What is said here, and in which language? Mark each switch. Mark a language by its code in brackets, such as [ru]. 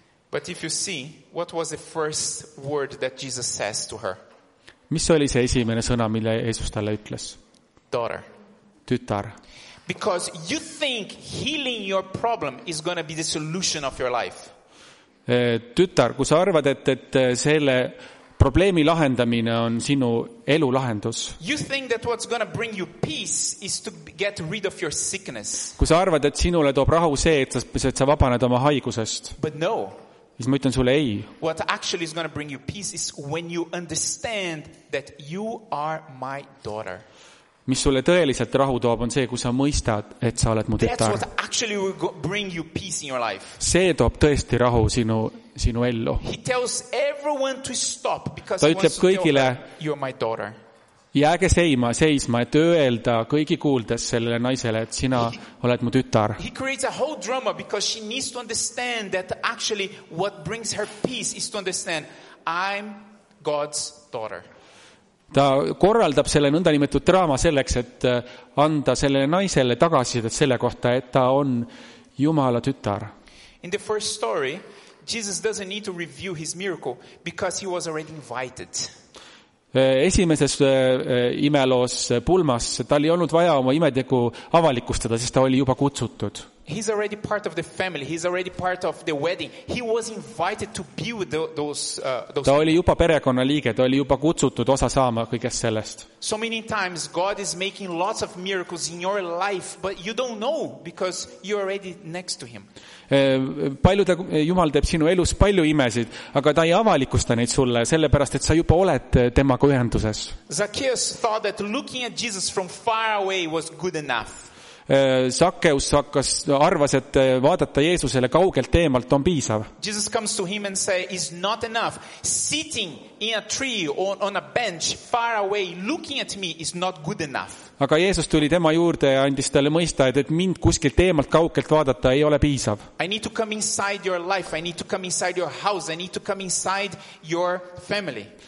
[en] But if you see, what was the first word that Jesus says to her? [et] Mis oli see esimene sõna, mille Jeesus talle ütles? [en] Daughter. [et] Tütar. [en] Because you think healing your problem is going to be the solution of your life. [et] tütar, kui sa arvad, et selle probleemi lahendamine on sinu elu lahendus. [en] You think that what's going to bring you peace is to get rid of your sickness. [et] Kui sa arvad, et sinule toob rahu see, et sa vabaned oma haigusest. [en] But no. [et] Siis ma ütlen sulle ei. [en] What actually is going to bring you peace is when you understand that you are my daughter. [et] Mis sulle tõeliselt rahu toob, on see, kui sa mõistad, et sa oled mu tütar. [en] That's what actually will bring you peace in your life. [et] See toob tõesti rahu sinu ellu. [en] He tells everyone to stop because [et] ta ütleb kõigile, [en] you are my daughter. [et] Jääge seisma, et öelda kõigi kuuldes sellele naisele, et sina oled mu tütar. [en] He creates a whole drama because she needs to understand that actually what brings her peace is to understand I'm God's daughter. [et] Ta korraldab selle nõnda nimetud draama selleks, et anda sellele naisele tagasi selle kohta, et ta on Jumala tütar. [en] In the first story, Jesus doesn't need to review his miracle because he was already invited. [et] Esimeses imeloos pulmas, ta oli olnud vaja oma imetegu avalikustada, sest ta oli juba kutsutud. [en] He's already part of the family. He's already part of the wedding. He was invited to be with those [et] Ta oli juba perekonna liige, ta oli juba kutsutud osa saama kõigest sellest. [en] So many times God is making lots of miracles in your life, but you don't know because you're already next to him. [et] Jumal teeb sinu elus palju imesid, aga ta ei avalikusta neid sulle, sellepärast et sa juba oled temaga ühenduses. [en] Zacchaeus thought that looking at Jesus from far away was good enough. [et] Zacchaeus hakkas arvas, et vaadata Jeesusele kaugelt teemalt on piisav. [en] Jesus comes to him and say, "It's not enough. Sitting in a tree or on a bench far away looking at me is not good enough." [et] Aga Jeesus tuli tema juurde ja andis talle mõista, et mind kuskil teemalt kaugelt vaadata ei ole piisav. [en] I need to come inside your life. I need to come inside your house. I need to come inside your family.